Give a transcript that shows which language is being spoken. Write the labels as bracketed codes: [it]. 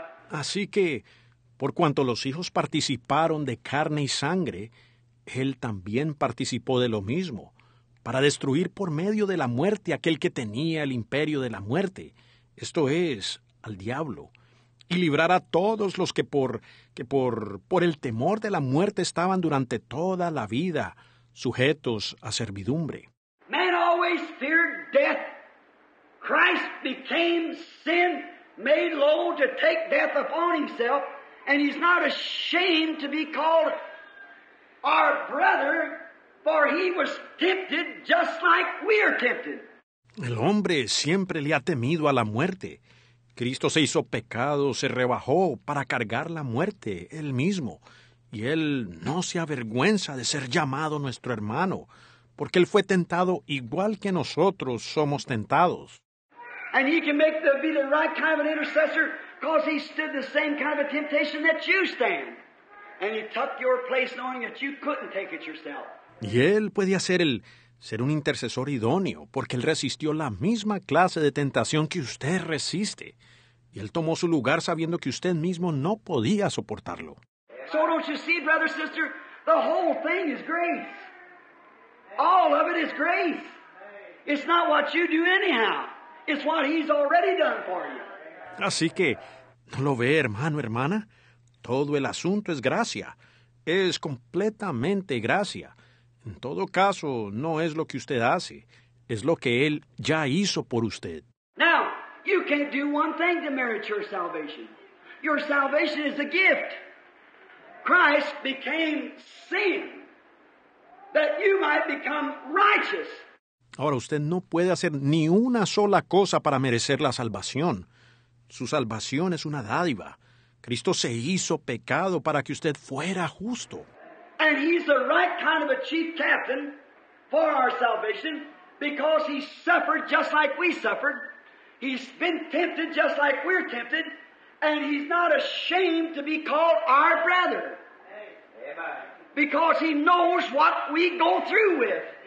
[es] Así que, por cuanto los hijos participaron de carne y sangre, él también participó de lo mismo, para destruir por medio de la muerte aquel que tenía el imperio de la muerte, esto es, al diablo, y librar a todos los que por el temor de la muerte estaban durante toda la vida sujetos a servidumbre. [en] Man always feared death. Christ became sin, made low to take death upon himself, and he's not ashamed to be called our brother, for he was tempted just like we are tempted. [es] El hombre siempre le ha temido a la muerte. Cristo se hizo pecado, se rebajó para cargar la muerte él mismo. Y él no se avergüenza de ser llamado nuestro hermano, porque él fue tentado igual que nosotros somos tentados. [en] And he can make be the right kind of an intercessor, because he stood the same kind of a temptation that you stand. And he took your place knowing that you couldn't take it yourself. [es] Y él puede hacer ser un intercesor idóneo, porque él resistió la misma clase de tentación que usted resiste. Y él tomó su lugar sabiendo que usted mismo no podía soportarlo. [en] So don't you see, brother, sister, the whole thing is grace. All of it is grace. It's not what you do anyhow. It's what he's already done for you. [es] Así que, ¿no lo ve, hermano, hermana? Todo el asunto es gracia. Es completamente gracia. En todo caso, no es lo que usted hace, es lo que él ya hizo por usted. [en] Now, you can't do one thing to merit your salvation. Your salvation is a gift. Christ became sin that you might become righteous. [es] Ahora, usted no puede hacer ni una sola cosa para merecer la salvación. Su salvación es una dádiva. Cristo se hizo pecado para que usted fuera justo. [en] And he's the right kind of a chief captain for our salvation, because he suffered just like we suffered. He's been tempted just like we're tempted, and he's not ashamed to be called our brother. Because he knows what we go through with.